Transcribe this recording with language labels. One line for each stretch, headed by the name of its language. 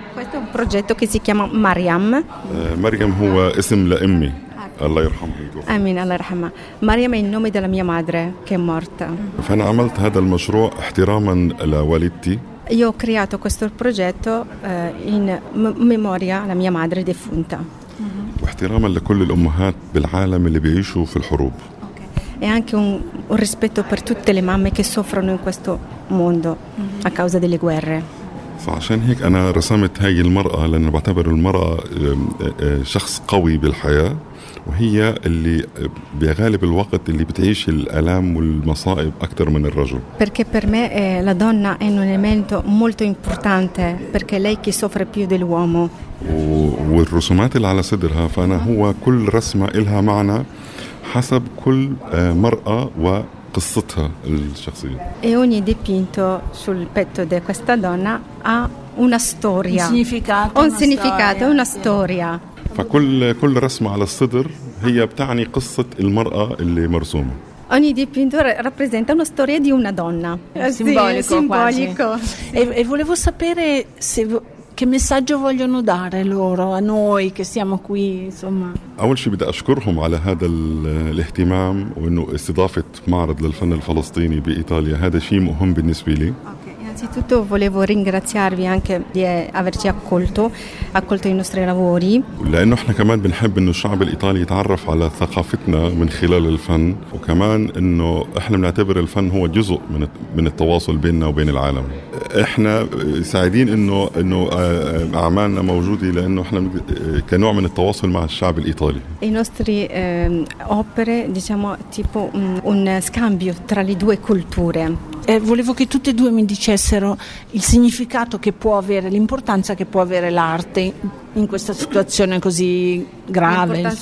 Italian: Questo è un progetto che si chiama Mariam.
Arabic: Mariam هو اسم لأمي. الله يرحمها. آمين الله يرحمها.
Italian: Mariam è il nome della mia madre che è morta.
Arabic: فأنا عملت هذا المشروع احتراما لوالدتي.
Italian: Io ho creato questo progetto in memoria alla mia madre defunta.
Arabic: واحتراما لكل الأمهات بالعالم اللي بيعيشوا في الحروب.
Italian: E anche un rispetto per tutte le mamme che soffrono in questo mondo a causa delle guerre.
Arabic: فعشان هيك أنا رسمت هاي المرأة، لأن بعتبر المرأة شخص قوي بالحياة، وهي اللي بغالب الوقت اللي بتعيش الآلام والمصائب أكثر من الرجل.
Italian: Perché per me la donna è un elemento molto importante perché lei che soffre più dell'uomo.
Arabic: والرسومات اللي على صدرها، فأنا هو كل رسمة إلها معنى حسب كل مرأة وقصتها الشخصية.
Italian: E ogni dipinto sul petto di questa donna ha una storia. Un significato, una storia.
Arabic: فكل رسمة على الصدر هي بتعني قصة المرأة اللي مرسومة.
Italian: Ogni dipinto rappresenta una storia di una donna. Simbolico. E volevo sapere se che messaggio vogliono dare loro a noi che siamo qui, insomma.
Arabic: أول شيء بدي أشكرهم على هذا الاهتمام وإنه استضافة معرض للفن الفلسطيني بإيطاليا، هذا شيء مهم بالنسبة لي.
English: Okay.
Italian: Innanzitutto volevo ringraziarvi anche di averci accolto i nostri lavori.
Arabic: لأنه احنا كمان بنحب انه الشعب الايطالي يتعرف على ثقافتنا من خلال الفن وكمان انه احنا بنعتبر الفن هو جزء من التواصل بيننا وبين العالم. احنا سعيدين انه اعمالنا موجوده لانه احنا كنوع من التواصل مع الشعب الايطالي.
Italian: I nostri opere diciamo tipo un scambio tra le due culture. Volevo che tutte e due mi dicessero il significato che può avere, l'importanza che può avere l'arte in questa situazione così grave.